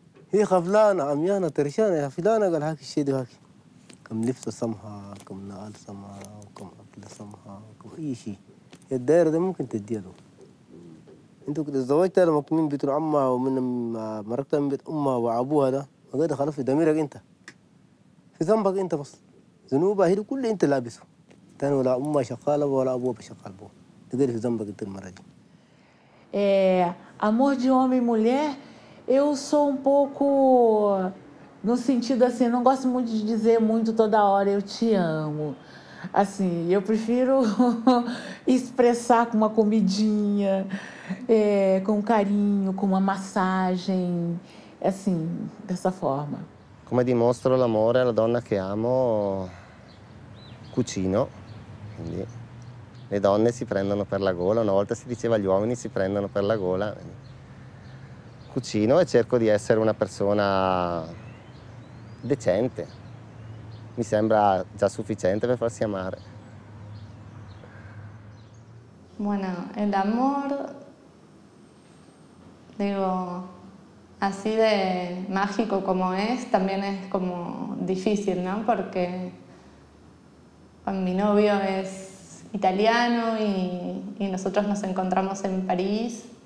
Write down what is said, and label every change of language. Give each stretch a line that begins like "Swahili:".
Arabic: هي خفلانة عميانة ترشانة يا فلانة قال هاك الشيء ده هاك كم لفت سمها كم نقل سمها كم أكل سمها كم أي شيء هي الدائرة ده ممكن تديه له انت كنت تزوجت انا من بيت امها ومن مرقت من بيت امها وابوها ده ما قد خلف في ضميرك انت في ذنبك انت بس ذنوبها هي كل انت لابسه تاني ولا امها شقالة ولا ابوها بشقال بو تقدر في ذنبك انت المره دي
Portuguese: amor de homem e mulher eu sou um pouco no sentido assim não gosto muito de dizer muito toda hora eu te amo assim eu prefiro expressar com uma comidinha com carinho com uma massagem assim dessa forma
Italian: come dimostro l'amore alla donna che amo cucino quindi le donne si prendono per la gola una volta si diceva gli uomini si prendono per la gola cucino e cerco di essere una persona decente mi sembra già sufficiente per farsi amare.
Spanish: Bueno, el amor, digo, así de mágico como es, también es como difícil, ¿no? Porque mi novio es italiano y nosotros nos encontramos en París.